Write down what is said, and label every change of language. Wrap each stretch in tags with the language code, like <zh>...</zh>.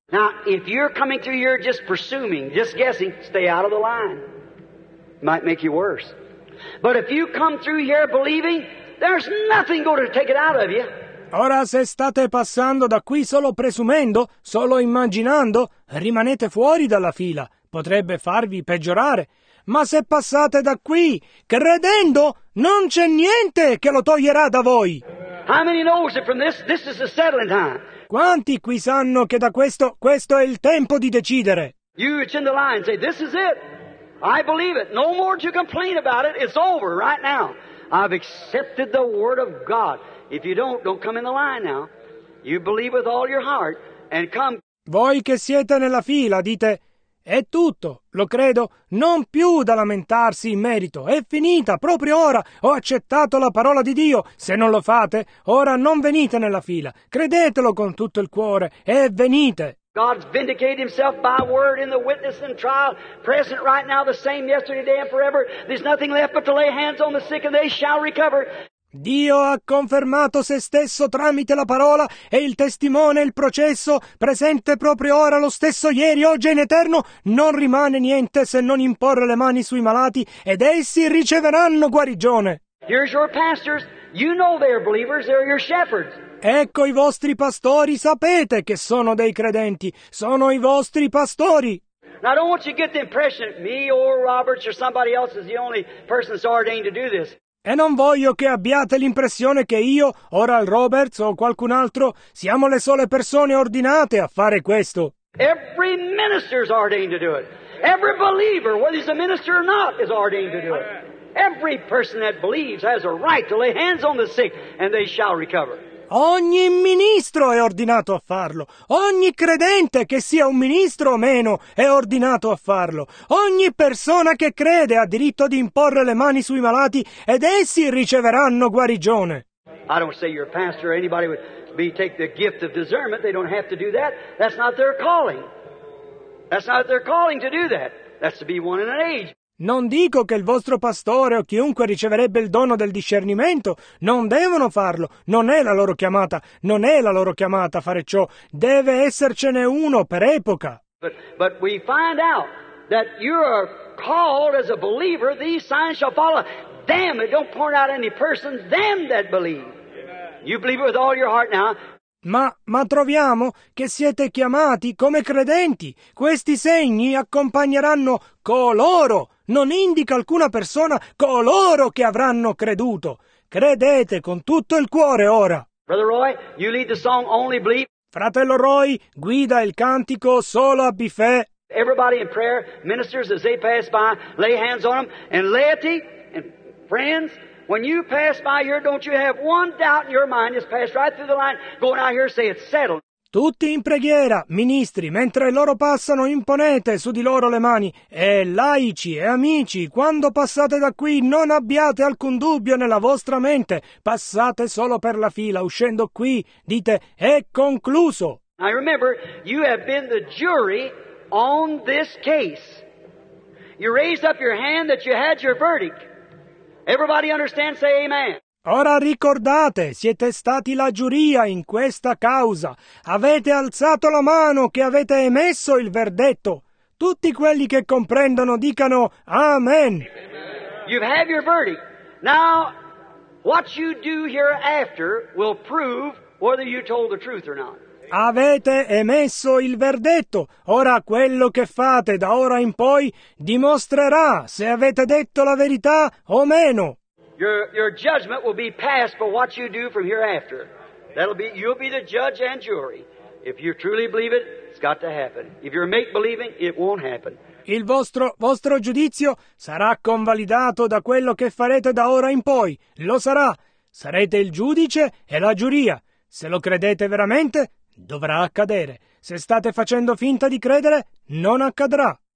<en>Now, if you're coming through here just presuming, just guessing, stay out of the line. Might make you worse. But if you come through here believing, there's nothing going to take it out of you.</en> <it>Ora, se state passando da qui solo presumendo, solo immaginando, rimanete fuori dalla fila. Potrebbe farvi peggiorare. Ma se passate da qui, credendo, non c'è niente che lo toglierà da voi.</it> <en>How many knows it from this? This is the settling time.</en> <it>Quanti qui sanno che da questo, questo è il tempo di decidere?</it> <en>You in the line, say, this is it. I believe it. No more to complain about it. It's over right now. I've accepted the word of God. If you don't come in the line now. You believe with all your heart and come.</en> <it>Voi che siete nella fila dite, è tutto, lo credo, non più da lamentarsi in merito, è finita, proprio ora, ho accettato la parola di Dio, se non lo fate, ora non venite nella fila, credetelo con tutto il cuore e venite.</it> <en>God's vindicated himself by word in the witness and trial, present right now, the same yesterday, day and forever. There's nothing left but to lay hands on the sick and they shall recover.</en> <it>Dio ha confermato se stesso tramite la parola e il testimone e il processo, presente proprio ora, lo stesso ieri, oggi e in eterno, non rimane niente se non imporre le mani sui malati ed essi riceveranno guarigione.</it> <en>Here's your pastors. You know they're believers, they're your shepherds.</en> <it>Ecco i vostri pastori, sapete che sono dei credenti, sono i vostri pastori.</it> <en>Now, I don't want you to get the impression me or Roberts or somebody else is the only person that's ordained to do this.</en> <it>E non voglio che abbiate l'impressione che io, Oral Roberts o qualcun altro, siamo le sole persone ordinate a fare questo.</it> <en>Every minister is ordained to do it. Every believer, whether he's a minister or not, is ordained to do it. Every person that believes has a right to lay hands on the sick and they shall recover.</en> <it>Ogni ministro è ordinato a farlo. Ogni credente, che sia un ministro o meno, è ordinato a farlo. Ogni persona che crede ha diritto di imporre le mani sui malati ed essi riceveranno guarigione.</it> <en>I don't say your pastor or anybody would be take the gift of discernment. They don't have to do that. That's not their calling. That's not their calling to do that. That's to be one in an age.</en> <it>Non dico che il vostro pastore o chiunque riceverebbe il dono del discernimento non devono farlo, non è la loro chiamata, non è la loro chiamata fare ciò, deve essercene uno per epoca.</it> <en>But we find out that you are called as a believer, these signs shall follow them, and don't point out any person, them that believe. You believe it with all your heart now.</en> <it>Ma troviamo che siete chiamati come credenti. Questi segni accompagneranno coloro, non indica alcuna persona, coloro che avranno creduto. Credete con tutto il cuore ora.</it> <en>Brother Roy, you lead the song Only Believe.</en> <it>Fratello Roy, guida il cantico Solo Abbi Fe.</it> <en>Everybody in prayer, ministers as they pass by, lay hands on them, and laity and friends. When you pass by here, don't you have one doubt in your mind, just pass right through the line, going out here, say it's settled.</en> <it>Tutti in preghiera, ministri, mentre loro passano, imponete su di loro le mani. E laici e amici, quando passate da qui, non abbiate alcun dubbio nella vostra mente. Passate solo per la fila, uscendo qui, dite, è concluso.</it> <en>I remember, you have been the jury on this case. You raised up your hand that you had your verdict. Everybody understand, say amen.</en> <it>Ora ricordate, siete stati la giuria in questa causa. Avete alzato la mano che avete emesso il verdetto. Tutti quelli che comprendono dicano amen.</it> <en>You have your verdict. Now, what you do hereafter will prove whether you told the truth or not.</en> <it>Avete emesso il verdetto. Ora quello che fate da ora in poi dimostrerà se avete detto la verità o meno.</it> <en>Your judgment will be passed for what you do from hereafter. You'll be the judge and jury. If you truly believe it, it's got to happen. If you're make believing, it won't happen.</en> <it>Il vostro giudizio sarà convalidato da quello che farete da ora in poi. Lo sarà. Sarete il giudice e la giuria. Se lo credete veramente, dovrà accadere. Se state facendo finta di credere, non accadrà.</it>